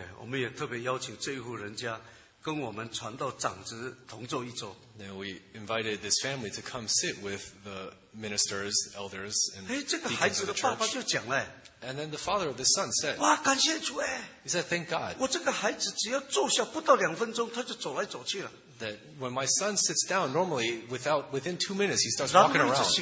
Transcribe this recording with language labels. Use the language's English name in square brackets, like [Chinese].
[English] we also invited this person Now we invited this family to come sit with the ministers, elders, and deacons of the church. And then the father of the son said, [Chinese] 哇,感谢主耶! [English] He said, thank God. [Chinese] 我这个孩子只要坐下不到两分钟, 他就走来走去了。 [English] That when my son sits down, normally, within 2 minutes, he starts walking around.